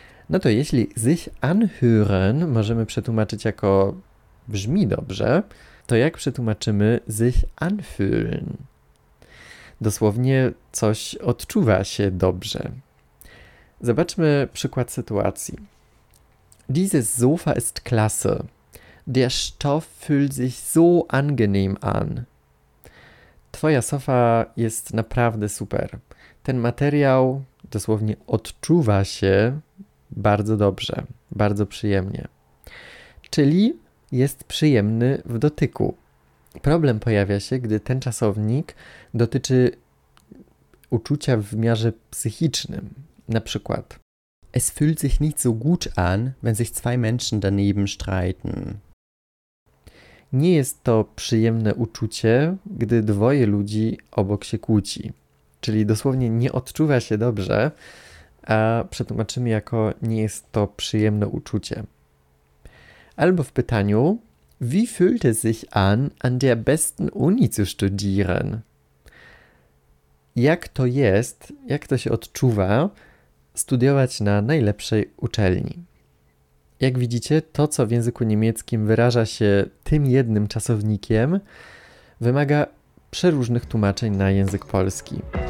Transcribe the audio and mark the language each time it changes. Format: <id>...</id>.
<pl>No to jeśli sich anhören możemy przetłumaczyć jako brzmi dobrze, to jak przetłumaczymy sich anfühlen? Dosłownie coś odczuwa się dobrze. Zobaczmy przykład sytuacji.</pl> <de>Dieses Sofa ist klasse. Der Stoff fühlt sich so angenehm an.</de> <pl>Twoja sofa jest naprawdę super. Ten materiał dosłownie odczuwa się bardzo dobrze, bardzo przyjemnie. Czyli jest przyjemny w dotyku. Problem pojawia się, gdy ten czasownik dotyczy uczucia w wymiarze psychicznym. Na przykład:</pl> <de>Es fühlt sich nicht so gut an, wenn sich zwei Menschen daneben streiten.</de> <pl>Nie jest to przyjemne uczucie, gdy dwoje ludzi obok się kłóci. Czyli dosłownie nie odczuwa się dobrze, a przetłumaczymy jako nie jest to przyjemne uczucie. Albo w pytaniu:</pl> <de>Wie fühlt es sich an, an der besten Uni zu studieren?</de> <pl>Jak to jest, jak to się odczuwa studiować na najlepszej uczelni? Jak widzicie, to co w języku niemieckim wyraża się tym jednym czasownikiem, wymaga przeróżnych tłumaczeń na język polski.</pl>